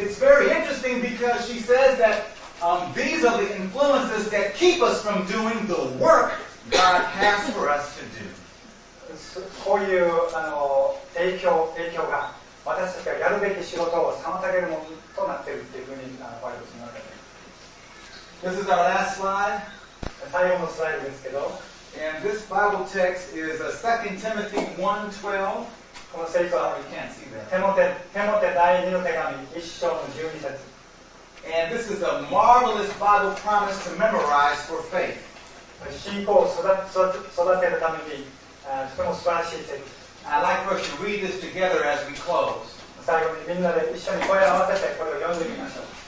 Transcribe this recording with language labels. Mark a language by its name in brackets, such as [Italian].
[English] It's very interesting because she says that these are the influences that keep us from doing the work God has for us to do. [Japanese] こういう影響が私たちがやるべき仕事を妨げるものとなっているというふうにバイブスの中で。 [English] This is our last slide. [Japanese] 最後のスライドですけど。 [English] And this Bible text is 2 Timothy 1:12. [Japanese] この聖書は、 [English] you can't see that. [Japanese] テモテ第2の手紙1章の12節。 [English] And this is a marvelous Bible promise to memorize for faith. [Japanese] 信仰を育てるためにとても素晴らしい聖書。 [English] I'd like for us to read this together as we close. [Japanese] 最後にみんなで一緒に声を合わせてこれを読んでみましょう。